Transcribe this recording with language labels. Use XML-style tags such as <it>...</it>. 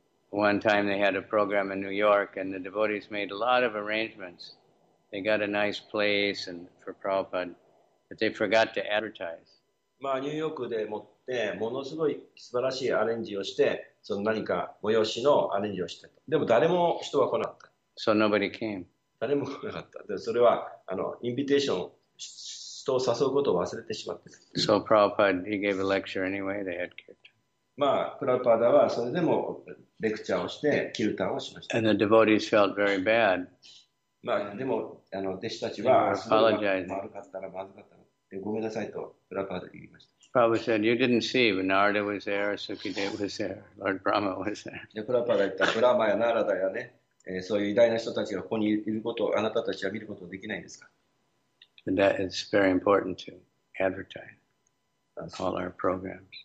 <en>One time they had a program in New York and the devotees made a lot of arrangements. They got a nice place and for Prabhupada, but they forgot to advertise.</en> <ja>まあ、ニューヨークでもってものすごい素晴らしいアレンジをして、その何か催しのアレンジをして。でも誰も人は来なかった。</ja> <en>So nobody came.</en> <ja>誰も来なかった。で、それはあのインビテーション人を誘うことを忘れてしまって。</ja> <en>So Prabhupada, he gave a lecture anyway, they had kirtan.</en> <ja>まあ、プラパダはそれでもレクチャーをして、キルタンをしました。</ja> <en>And the devotees felt very bad.</en> <ja>まあ、でも、あの弟子たちは、</ja> <en>apologizing.</en> <ja>悪かったら、まずかったら、でごめんなさいと、プラパダ言いました。</ja> <en>Prabhupada said, you didn't see, Narada was there, Sukhideva was there, Lord Brahma was there.</en> <ja>で、プラパダ言った、ブラマやナラダやね、そういう偉大な人たちがここにいることを、あなたたちは見ることができないんですか。</ja> <en>And that is very important to advertise all our programs.</en>